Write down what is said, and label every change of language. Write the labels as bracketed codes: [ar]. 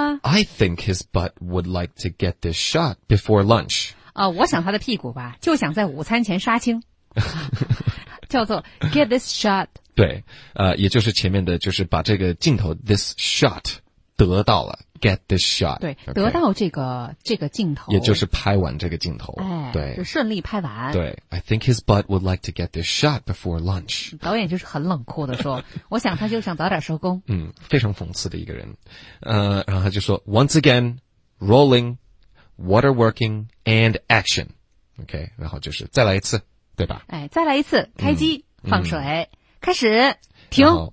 [en] I think his butt would like to get this shot before lunch. [zh] 我想他的屁股吧，就想在午餐前杀青。叫做 [en] get this shot。 [zh] 对，也就是前面的，就是把这个镜头 [en] this shot [zh] 得到了 [en] get this shot， [zh] 对， [en] okay, [zh] 得到这个镜头，也就是拍完这个镜头，哎，对，就顺利拍完。对 [en] ，I think his butt would like to get this shot before lunch。 [zh] 导演就是很冷酷的说，我想他就想早点收工。嗯，非常讽刺的一个人，然后他就说 ， [en] once again， rolling， water working and action， OK， [zh] 然后就是再来一次，对吧？哎，再来一次，开机，嗯、放水。嗯开始停